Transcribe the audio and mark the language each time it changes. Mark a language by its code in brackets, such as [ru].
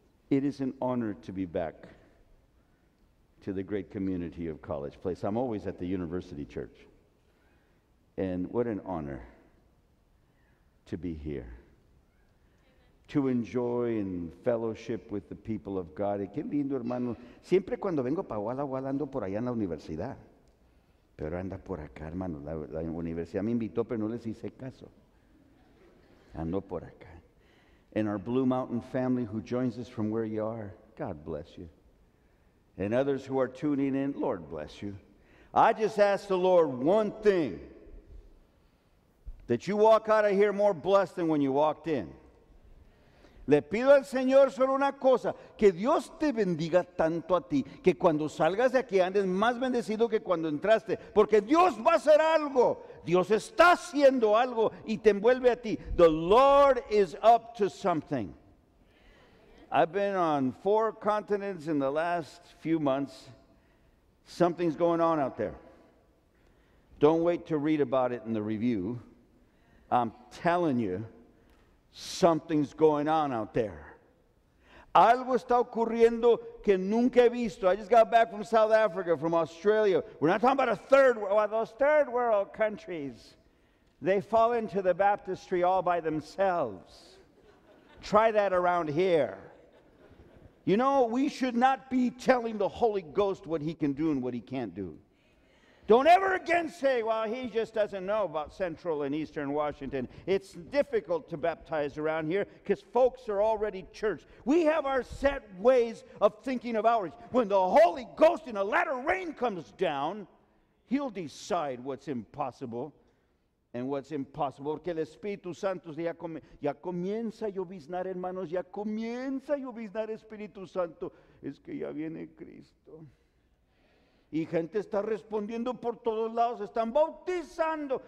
[en] It is an honor to be back to the great community of College Place. I'm always at the University Church. And what an honor to be here, to enjoy and fellowship with the people of God. [es] Qué lindo, hermano. Siempre cuando vengo para Guadalajara ando por allá en la universidad. Pero anda por acá, hermano. La universidad me invitó, pero no les hice caso. Ando por acá. [en] And our Blue Mountain family who joins us from where you are, God bless you. And others who are tuning in, Lord bless you. I just ask the Lord one thing. That you walk out of here more blessed than when you walked in. [es] Le pido al Señor solo una cosa, que Dios te bendiga tanto a ti, que cuando salgas de aquí andes más bendecido que cuando entraste, porque Dios va a hacer algo. Dios está haciendo algo y te envuelve a ti. [en] The Lord is up to something. I've been on 4 continents in the last few months. Something's going on out there. Don't wait to read about it in the review. I'm telling you, something's going on out there. [es] Algo está ocurriendo que nunca he visto. [en] I just got back from South Africa, from Australia. We're not talking about a third world, those third world countries. They fall into the baptistry all by themselves. Try that around here. You know, we should not be telling the Holy Ghost what he can do and what he can't do. Don't ever again say, well, he just doesn't know about Central and Eastern Washington. It's difficult to baptize around here because folks are already church. We have our set ways of thinking of ours. When the Holy Ghost in a latter rain comes down, he'll decide what's impossible and what's impossible. [es] Porque el Espíritu Santo ya comienza a lloviznar, hermanos. Ya comienza a lloviznar, Espíritu Santo. Es que ya viene Cristo. Y gente está respondiendo por todos lados, están bautizando.